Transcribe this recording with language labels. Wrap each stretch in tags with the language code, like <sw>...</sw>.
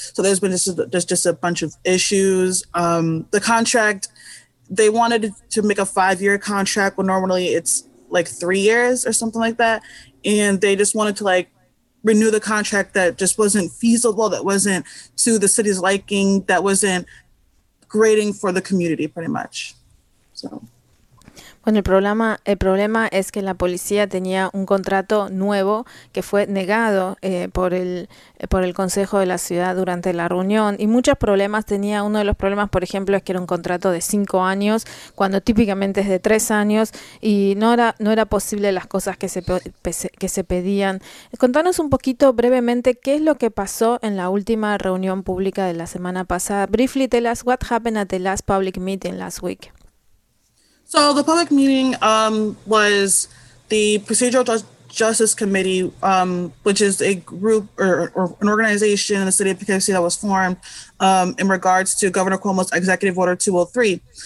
<en>So there's been just a bunch of issues. The contract, they wanted to make a 5-year contract when normally it's like 3 years or something like that. And they just wanted to like renew the contract that just wasn't feasible, that wasn't to the city's liking, that wasn't grading for the community pretty much. So.</en> <es>Bueno, el problema es que la policía tenía un contrato nuevo que fue negado por el Consejo de la Ciudad durante la reunión, y muchos problemas tenía. Uno de los problemas, por ejemplo, es que era un contrato de 5 años, cuando típicamente es de 3 años, y no era posible las cosas que se pedían. Contanos un poquito brevemente qué es lo que pasó en la última reunión pública de la semana pasada.</es> <en>Briefly tell us what happened at the last public meeting last week. So the public meeting was the Procedural Justice Committee, which is a group or an organization in the city of Poughkeepsie that was formed in regards to Governor Cuomo's Executive Order 203.</en>